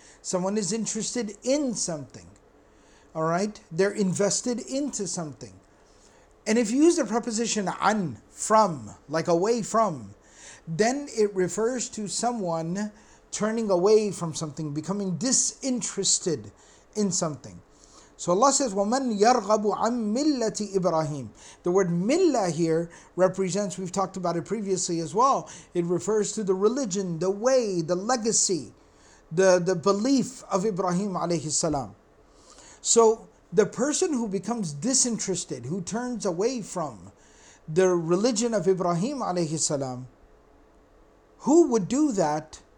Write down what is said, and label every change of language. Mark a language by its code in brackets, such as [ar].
[en] Someone is interested in something, all right? They're invested into something. And if you use the preposition an, from, like away from, then it refers to someone turning away from something, becoming disinterested in something. So Allah says, [ar] وَمَنْ يَرْغَبُ عَنْ مِلَّةِ إِبْرَاهِيمِ. [en] The word milla here represents, we've talked about it previously as well, it refers to the religion, the way, the legacy, the belief of Ibrahim alayhi salam. So the person who becomes disinterested, who turns away from the religion of Ibrahim alayhi salam, who would do that?